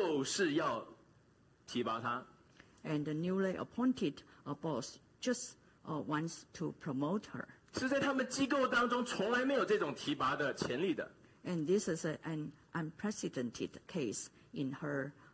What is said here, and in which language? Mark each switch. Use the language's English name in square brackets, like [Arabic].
[Chinese] 然后这个新任的上司就是要提拔他。 [English] And the newly appointed boss just wants to promote her. [Chinese] 是在他们机构当中从来没有这种提拔的潜力的。 [English] And this is an unprecedented case in her.